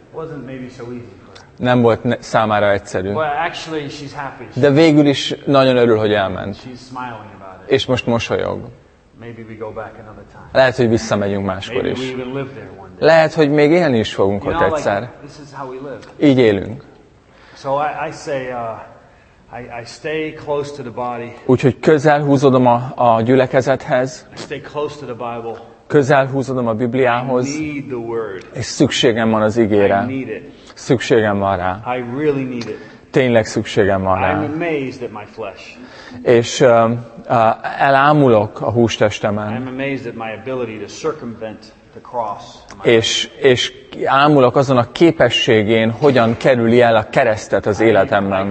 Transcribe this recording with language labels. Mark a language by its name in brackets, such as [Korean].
[English] Wasn't maybe so easy. [Hungarian] Nem volt számára egyszerű. [English] Well, actually, she's happy. [Hungarian] De végül is nagyon örül, hogy elment. [English] She's smiling about it. [Hungarian] És most mosolyog. [English] Maybe we go back another time. [Hungarian] Lehet, hogy visszamegyünk máskor [English] maybe [Hungarian] is. [English] We even live there one day. [Hungarian] Lehet, hogy még élni is fogunk ott egyszer. [English] Like, this is how we live. [Hungarian] Így élünk. [English] So I say, I stay close to the body. [Hungarian] Úgyhogy közel húzódom a gyülekezethez. [English] I stay close to the Bible. [Hungarian] Közel húzódom a Bibliához. [English] I need the word. [Hungarian] És szükségem van az igére. [English] I need it. [Hungarian] Szükségem van rá. [English] I really need it. [Hungarian] Tényleg szükségem van rá. [English] I'm amazed at my flesh. [Hungarian] És elámulok a hústestemen. [English] I'm amazed at my ability to circumvent the cross. [Hungarian] És ámulok azon a képességén, hogyan kerüli el a keresztet az életemben.